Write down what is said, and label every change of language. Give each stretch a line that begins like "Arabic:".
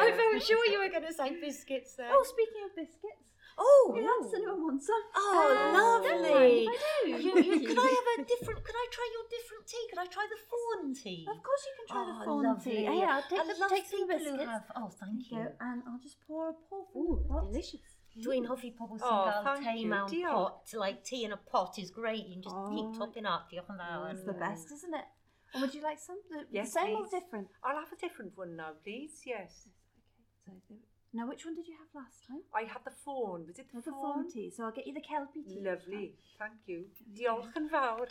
English: I felt sure you were going to say biscuits there. Oh, speaking of biscuits. Oh! We have cinnamon ones. Oh, lovely. I do. Can I have a different, can I try your different tea? Can I try the fawn tea? Of course you can try the fawn tea. Oh, yeah, I'll take some biscuits. Thank you. And I'll just pour a pot. Ooh, delicious.
Welsh: Dwi'n hoffi pobl sy'n cael tea mewn pot.
English: Like tea in a pot is great. You can just keep topping up. It's the best, isn't it? Or would you like some? Or different? I'll have a different one now, please. Yes. Okay. Now, which one did you have last time? I had the fawn. Was it the fawn tea? So I'll get you the kelpie tea. Lovely. Thank you.
Welsh: Diolch yn fawr.